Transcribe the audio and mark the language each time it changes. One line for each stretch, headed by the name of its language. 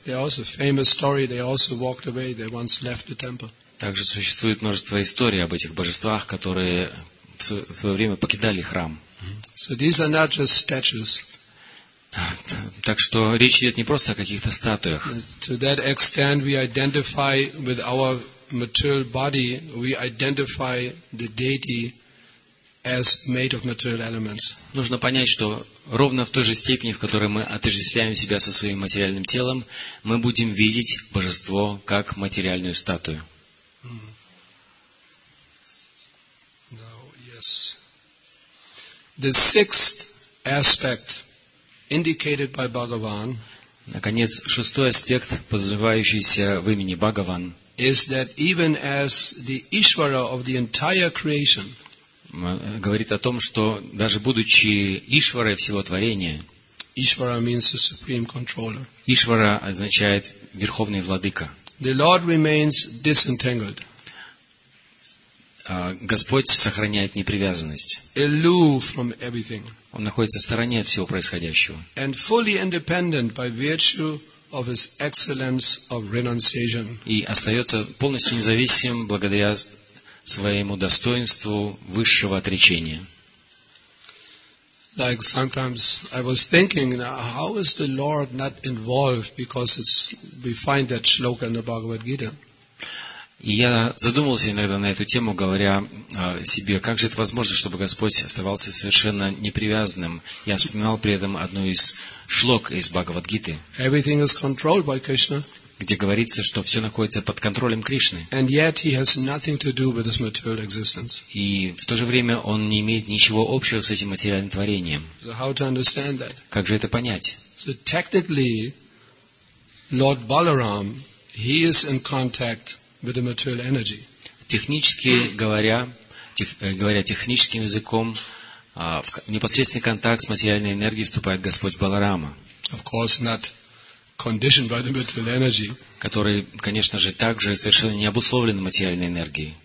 English: There also famous story. They also walked away. They once left the temple.
Russian: Также существует множество историй об этих божествах, которые в свое время покидали храм.
English: So these are not just statues.
Russian: Так что речь идет не просто о каких-то статуях.
English: To that extent we identify with our material body, we identify the deity as made of material elements.
Russian: Нужно понять, что ровно в той же степени, в которой мы отождествляем себя со своим материальным телом, мы будем видеть божество как материальную статую.
English: Now, yes. The sixth aspect indicated by Bhagavan.
Russian: Наконец, шестой аспект, подразумевающийся в имени Бхагаван,
English: is that even as the Ishvara of the entire creation,
Russian: говорит о том, что даже будучи Ишварой всего творения,
English: Ishvara means the supreme controller.
Russian: Ишвара означает верховный владыка.
English: The Lord remains disentangled.
Russian: Господь сохраняет непривязанность.
English: Aloof from everything.
Russian: Он находится в стороне от всего происходящего.
English: And fully independent by virtue of his excellence of renunciation.
Russian: И остается полностью независим благодаря своему достоинству высшего отречения.
English: Like sometimes I was thinking, how is the Lord not involved? Because it's, we find that shloka in the Bhagavad Gita.
Russian: И я задумался иногда на эту тему, говоря себе, как же это возможно, чтобы Господь оставался совершенно непривязанным. Я вспоминал при этом одну из шлок из Бхагавад-гиты,
English: Everything is controlled by Krishna,
Russian: где говорится, что все находится под контролем Кришны.
English: And yet he has nothing to do with this material existence.
Russian: И в то же время он не имеет ничего общего с этим материальным творением.
English: So how to understand that?
Russian: Как же это понять?
English: So technically, Lord Balaram, he is in contact with the material energy.
Russian: Технически говоря, говоря техническим языком, в непосредственный контакт с материальной энергией вступает Господь Баларама.
English: Of course not conditioned by the material energy,
Russian: который, конечно же, также совершенно не обусловлен материальной энергией.